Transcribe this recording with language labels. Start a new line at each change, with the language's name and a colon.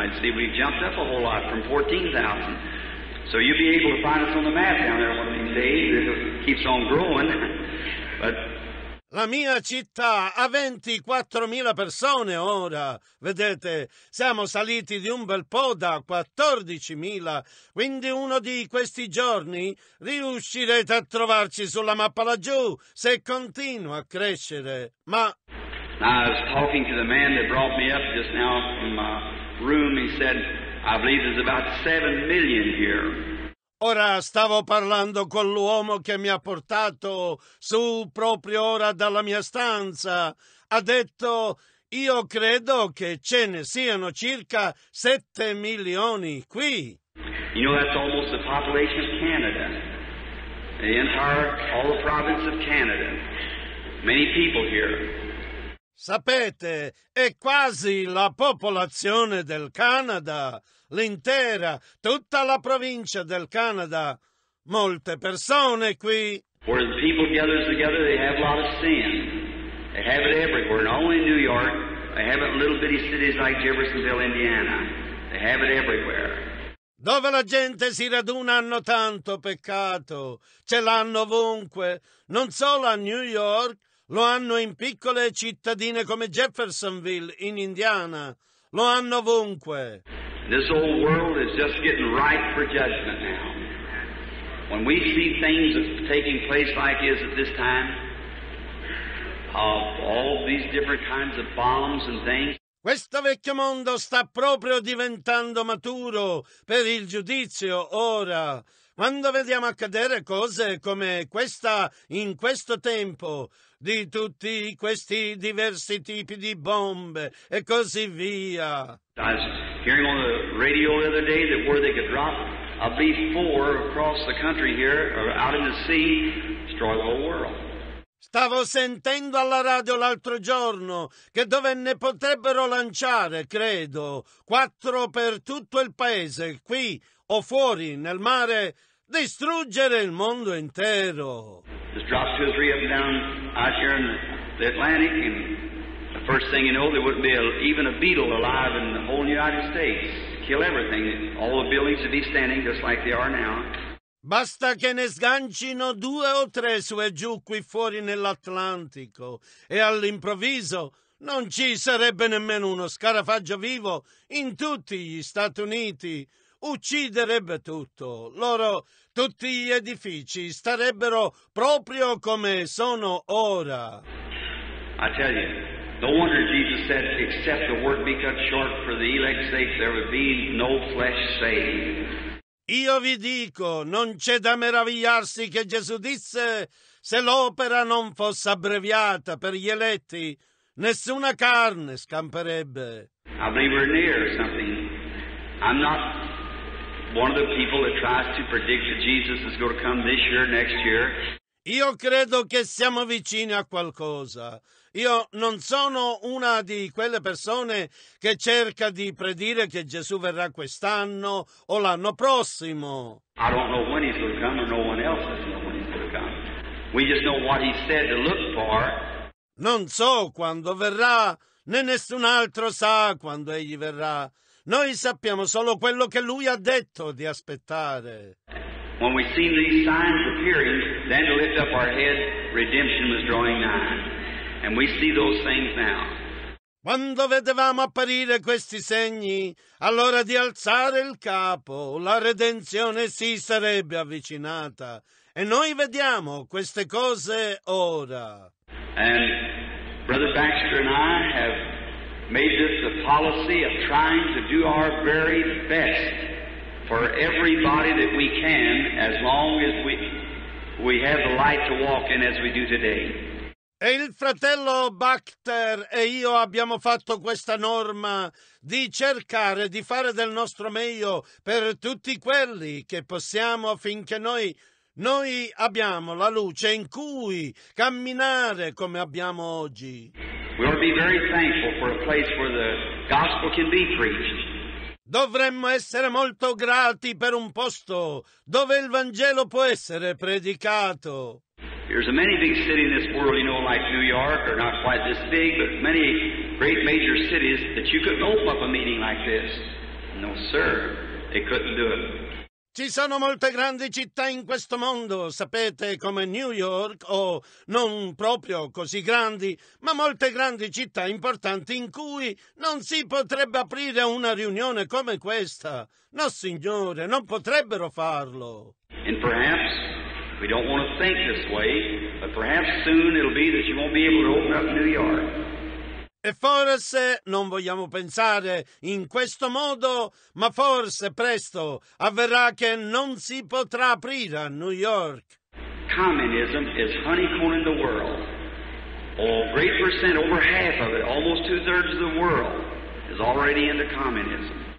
English: You see, we've jumped up a whole lot from 14,000. So you'll be able to find us on the map down there one of these days. It keeps on growing. But
Italian: La mia città ha 24.000 persone ora, vedete, siamo saliti di un bel po' da 14.000, quindi uno di questi giorni riuscirete a trovarci sulla mappa laggiù se continua a crescere, ma...
English: I was talking to the man that brought me up just now from my room, he said, I believe there's about 7 million here.
Italian: Ora stavo parlando con l'uomo che mi ha portato su proprio ora dalla mia stanza. Ha detto, io credo che ce ne siano circa 7 milioni qui.
English: You know, that's almost the population of Canada. The entire, all the province of Canada. Many people here.
Italian: Sapete, è quasi la popolazione del Canada. L'intera, tutta la provincia del Canada, molte persone qui.
English: Where the people gather together, they have a lot of sin. They have it everywhere, not only in New York. They have it in little bitty cities like Jeffersonville, Indiana. They have it everywhere.
Italian: Dove la gente si raduna hanno tanto peccato. Ce l'hanno ovunque, non solo a New York. Lo hanno in piccole cittadine come Jeffersonville, in Indiana. Lo hanno ovunque.
English: This old world is just getting ripe for judgment now. When we see things taking place like this at this time, of all these different kinds of bombs and things.
Italian: Questo vecchio mondo sta proprio diventando maturo per il giudizio ora. Quando vediamo accadere cose come questa in questo tempo, di tutti questi diversi tipi di bombe e così via.
English: I was hearing on the radio the other day that where they could drop a B-4 across the country here, or out in the sea, destroy the whole world.
Italian: Stavo sentendo alla radio l'altro giorno che dove ne potrebbero lanciare, credo, 4 per tutto il paese, qui o fuori, nel mare, distruggere il mondo intero.
English: Just drop 2 or 3 up and down out here in the Atlantic, and the first thing you know, there wouldn't be even a beetle alive in the whole United States. Kill everything. All the buildings would be standing just like they are now.
Italian: Basta che ne sgancino 2 o 3 su e giù qui fuori nell'Atlantico e all'improvviso non ci sarebbe nemmeno uno scarafaggio vivo in tutti gli Stati Uniti. Ucciderebbe tutto. Loro, tutti gli edifici starebbero proprio come sono ora.
English: I tell you, no wonder Jesus said, except the word be cut short for the elect's sake, there would be no flesh saved.
Italian: Io vi dico, non c'è da meravigliarsi che Gesù disse, se l'opera non fosse abbreviata per gli eletti, nessuna carne scamperebbe.
English: I believe we're near something. I'm not one of the people that tries to predict that Jesus is going to come this year, next year.
Italian: Io credo che siamo vicini a qualcosa. Io non sono una di quelle persone che cerca di predire che Gesù verrà quest'anno o l'anno prossimo.
English: I don't know when he's going to come, or no one else is going to know when he's going to come. We just know what he said to look for.
Italian: Non so quando verrà, né nessun altro sa quando egli verrà. Noi sappiamo solo quello che lui ha detto di aspettare.
English: When we see these signs appearing, then to lift up our head, redemption was drawing nigh. And we see those things now.
Italian: Quando vedevamo apparire questi segni, allora di alzare il capo, la redenzione si sarebbe avvicinata. E noi vediamo queste cose ora.
English: And Brother Baxter and I have made this a policy of trying to do our very best for everybody that we can, as long as we have the light to walk in as we do today.
Italian: E il fratello Bachter e io abbiamo fatto questa norma di cercare di fare del nostro meglio per tutti quelli che possiamo affinché noi abbiamo la luce in cui camminare come abbiamo oggi.
English: We ought to be very thankful for a place where the gospel can be preached.
Italian: Dovremmo essere molto grati per un posto dove il Vangelo può essere predicato.
English: There's a many big cities in this world, you know, like New York, or not quite this big, but many great major cities that you couldn't open up a meeting like this. No, sir, they couldn't do it.
Italian: Ci sono molte grandi città in questo mondo, sapete, come New York, o non proprio così grandi, ma molte grandi città importanti in cui non si potrebbe aprire una riunione come questa. No, signore, non potrebbero farlo.
English: And perhaps we don't want to think this way, but perhaps soon it'll be that you won't be able to open up New York.
Italian: E forse non vogliamo pensare in questo modo, ma forse presto avverrà che non si potrà aprire a New York.
English: Communism is honeycombing the world. All great percent, over half of it, almost two-thirds of the world, is already into communism.